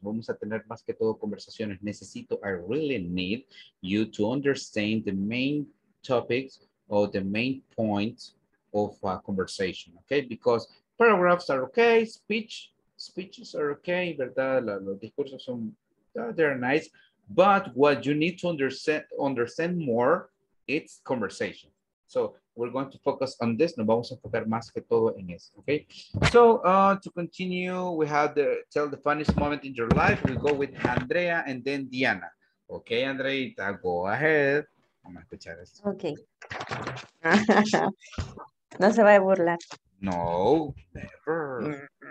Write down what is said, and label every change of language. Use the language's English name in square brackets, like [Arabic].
[Spanish] Vamos a tener más que todo conversaciones. Necesito, [English] I really need you to understand the main topics or the main points of a conversation, okay? Because paragraphs are okay, speeches are okay, ¿verdad? [Spanish] Los discursos son, [English] they're nice. But what you need to understand more, it's conversation. So we're going to focus on this. [Spanish] No vamos a enfocar más que todo en eso, okay? [English] So to continue, we have the tell the funniest moment in your life. We'll go with Andrea and then Diana. Okay, Andreita, go ahead. [Spanish] Vamos a escuchar esto. [English] Okay. [Spanish] No se va a burlar. [English] No, never.